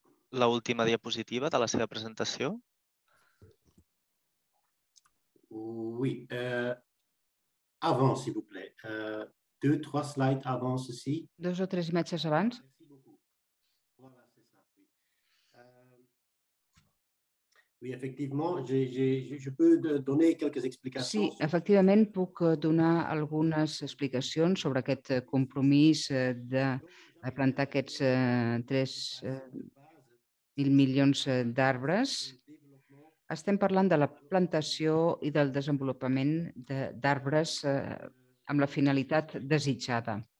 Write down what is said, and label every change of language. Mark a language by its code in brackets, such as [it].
[ca] La última diapositiva de la seva presentació? [fr] Oui, avant, s'il vous plaît. Deux, trois slides avant ceci. [ca] Dos o tres imatges abans. [fr] Merci beaucoup. Voilà, c'est ça. Oui, oui, effectivement, je peux donner quelques explications. [ca] Sí, efectivament, puc donar algunes explicacions sobre aquest compromís de plantar aquests 3.000 milions d'arbres. Estem parlant de la plantació i del desenvolupament d'arbres amb la finalitat desitjada.